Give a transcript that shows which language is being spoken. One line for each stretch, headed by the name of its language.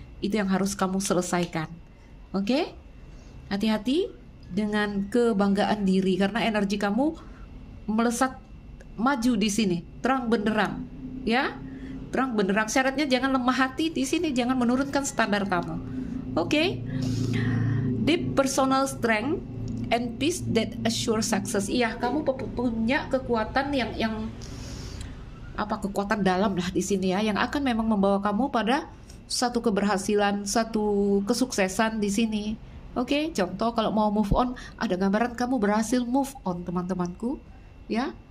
Indonesian: Itu yang harus kamu selesaikan. Oke? Hati-hati dengan kebanggaan diri, karena energi kamu melesat maju di sini, terang benderang, ya, terang benderang. Syaratnya jangan lemah hati di sini, jangan menurunkan standar kamu. Oke?
English: Deep personal strength and peace that assure success.
Indonesian: Iya, kamu punya kekuatan yang apa, kekuatan dalam lah di sini, ya, yang akan memang membawa kamu pada satu keberhasilan, satu kesuksesan di sini. Oke, contoh kalau mau move on, ada gambaran kamu berhasil move on, teman-temanku, ya.